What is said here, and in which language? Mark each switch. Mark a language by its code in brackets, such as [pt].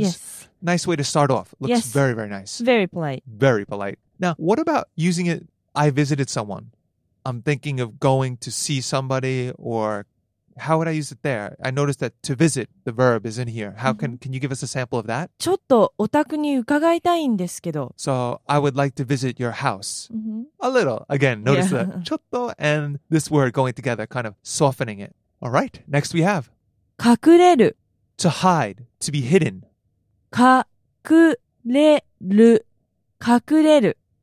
[en] Yes. Nice way to start off. Looks very, very nice. Very polite. Very polite. Now, what about using it, I visited someone. I'm thinking of going to see somebody or how would I use it there? I noticed that to visit, the verb is in here. How can you give us a sample of that? [ja] ちょっとお宅に伺いたいんですけど。 [en] So, I would like to visit your house. Mm-hmm. A little. Again, notice that. ちょっと and this word going together, kind of softening it. All right, next we have. [ja] 隠れる [en] To hide, to be hidden. [ja] 隠れる隠れる